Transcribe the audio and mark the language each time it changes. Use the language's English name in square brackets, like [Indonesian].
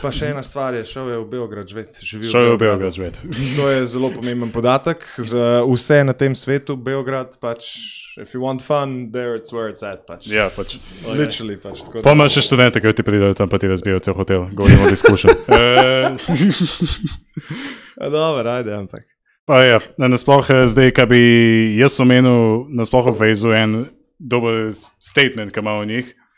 [Slovenian] Pa še ena stvar je, šel je v Beograd živeti. Šel je v Beograd živeti. To je zelo pomemben podatek za vse na tem svetu. [English] Beograd, pač, if you want fun, there it's where it's at, pač. [Slovenian] Ja, pač. [English] Literally, pač. [Slovenian] Pa imaš še študente, ki ti pridajo tam, pa ti razbijajo cel hotel. Govorimo o diskušen. [Croatian] Dobar, ajde, ampak. [Slovenian] Pa ja, nasploh zdaj, kaj bi jaz omenil, nasploh v Fejzu en dober statement, ki ima v njih.